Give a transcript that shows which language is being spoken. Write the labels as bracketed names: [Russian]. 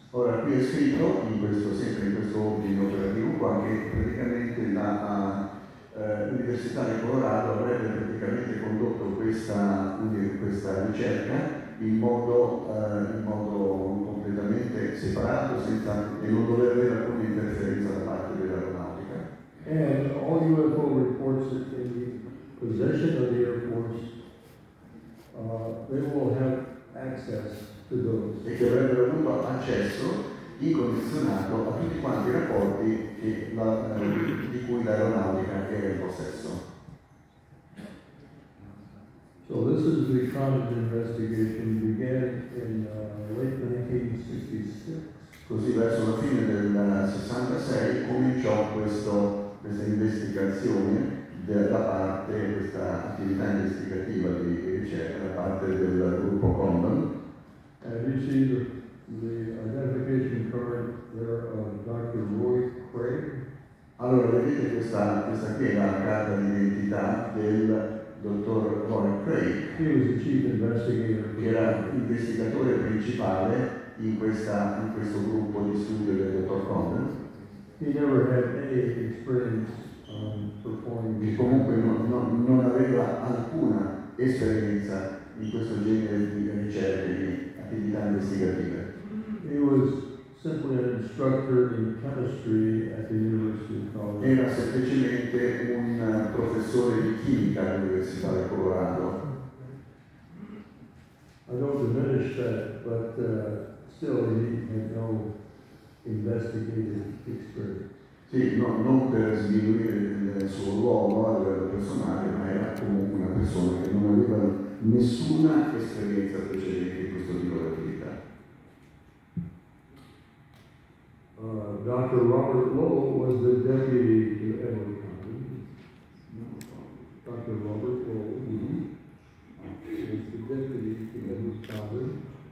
[Italian] Ora qui è scritto, in questo, sempre in questo ordine operativo qua, che praticamente la Università di Colorado avrebbe praticamente condotto questa ricerca in modo completamente separato senza, e non dovrebbe avere alcuna interferenza da parte dell'aeronautica. [English] And all UFO reports in the possession of the Air Force, they will have access. [Italian] E che avrebbero avuto accesso incondizionato a tutti quanti i rapporti di cui l'aeronautica era in possesso. [English] So this is the Condon investigation began in late 1966. [Italian] Così verso la fine del 66 cominciò questa investigazione da parte, questa attività investigativa di ricerca da parte del gruppo Condon. [English] Have you seen the identification card there of Dr. Roy Craig? [Italian] Allora, vedete questa qui è la carta d'identità del dottor Roy Craig. [English] He was the chief investigator. [Italian] Che era investigatore principale in questo gruppo di studio del dottor Condon. [English] He never had any experience performing. [Italian] E comunque non aveva alcuna esperienza in questo genere di ricerche. [English] He was simply an instructor in chemistry at the University of Colorado. [Italian] Era semplicemente un professore di chimica all'Università di Colorado. [English] I don't diminish that, but still he had no investigative experience. [Italian] Sì, non per sminuire il suo ruolo a livello personale, ma era comunque una persona che non aveva nessuna esperienza precedente in questo tipo di attività. [English] Dr. Robert Lowell was the deputy to Edward Condon. Dr. Robert Lowell was the deputy to Edward Condon.